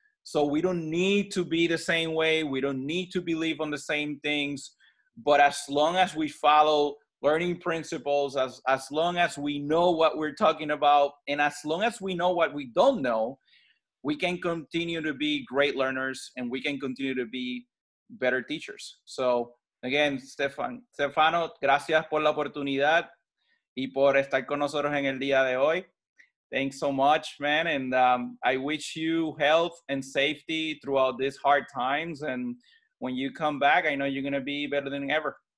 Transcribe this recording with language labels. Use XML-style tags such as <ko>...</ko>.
<en>So we don't need to be the same way. We don't need to believe on the same things. But as long as we follow learning principles, as long as we know what we're talking about, and as long as we know what we don't know, we can continue to be great learners, and we can continue to be better teachers. So again,</en> <es>Stefano, gracias por la oportunidad y por estar con nosotros en el día de hoy.</es> <en>Thanks so much, man, and I wish you health and safety throughout these hard times, and when you come back, I know you're going to be better than ever.</en>